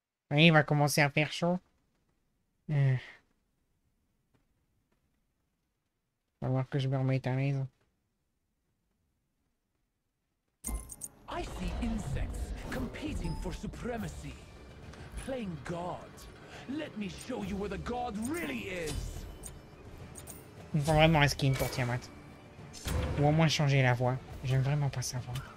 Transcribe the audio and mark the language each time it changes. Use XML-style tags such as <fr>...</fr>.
<fr>Oui, il va commencer à faire chaud. Va voir que je me remets à l'aise.</fr> <en>I see insects competing for supremacy. Playing God. Let me show you where the God really is.</en> <fr>Il faut vraiment un skin pour Tiamat. Ou au moins changer la voix. J'aime vraiment pas sa voix.</fr>